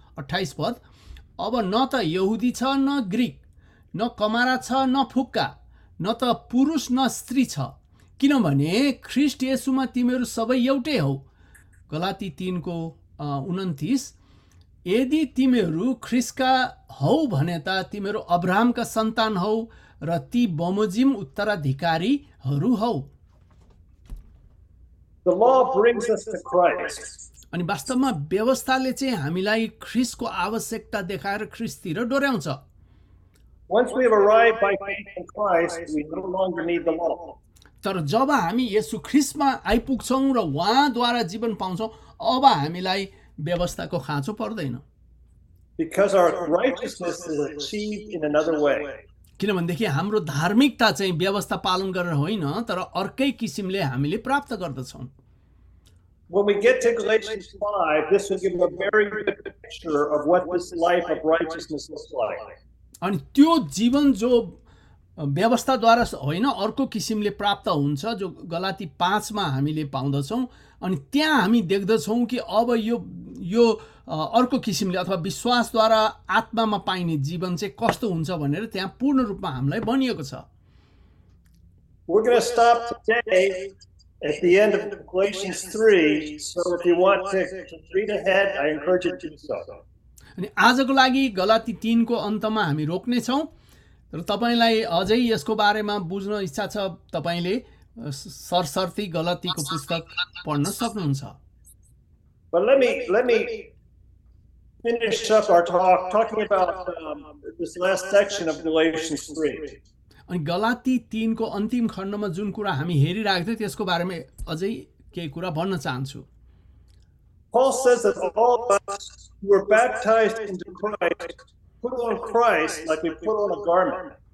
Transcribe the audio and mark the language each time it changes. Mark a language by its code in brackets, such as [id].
[ne] 28 पद, अब न त यहुदी छ न ग्रिक, न कमारा छ न फुक्का, न त पुरुष न स्त्री छ, किनभने ख्रिस्ट येसुमा तिमीहरू सबै एउटै हौ. गलाती 3:29, यदि तिमीहरू ख्रिस्टका हौ भने त तिमीहरू अब्राहमका सन्तान हौ र ती बमोजिम उत्तराधिकारीहरू हौ. [en] The law brings us to Christ. [ne] अनि वास्तवमा व्यवस्थाले चाहिँ हामीलाई ख्रिस्टको आवश्यकता देखाएर ख्रिस्टतिर डोर्याउँछ. [en] Once we have arrived by faith in Christ, we no longer need the law. [ne] तर जब हामी येशु ख्रिस्टमा आइपुग्छौँ र उहाँद्वारा जीवन पाउँछौँ अब हामीलाई व्यवस्थाको खाँचो पर्दैन. [en] Because our righteousness is achieved in another way. [ne] किनभनेदेखि हाम्रो धार्मिकता चाहिँ व्यवस्था पालन गरेर होइन तर अर्कै किसिमले हामीले प्राप्त गर्दछौँ. [en] When we get to Galatians 5, this will give a very good picture of what this life of righteousness looks like. [ne] अनि त्यो जीवन जो व्यवस्थाद्वारा होइन अर्को किसिमले प्राप्त हुन्छ जो गलाती 5 हामीले पाउँदछौँ, अनि त्यहाँ हामी देख्दछौँ कि अब यो अर्को किसिमले अथवा विश्वासद्वारा आत्मामा पाइने जीवन चाहिँ कस्तो हुन्छ भनेर त्यहाँ पूर्ण रूपमा हामीलाई भनिएको छ. [en] We're going to stop today at the end of Galatians 3, so if you want to read ahead, I encourage you to do so. [ne] अनि आजको लागि गलाती 3 को अन्तमा हामी रोक्नेछौँ, र तपाईँलाई अझै यसको बारेमा बुझ्न इच्छा छ तपाईँले सरसर्ती गलतीको पुस्तक पढ्न सक्नुहुन्छ. [en] But let me finish up our talk talking about this last section of Galatians 3. [ne] अनि गलाती 3 को अन्तिम खण्डमा जुन कुरा हामी हेरिरहेको थियो त्यसको बारेमा अझै केही कुरा भन्न चाहन्छु. [en] Paul says that all of us who were baptized into Christ put on Christ like we put on a garment.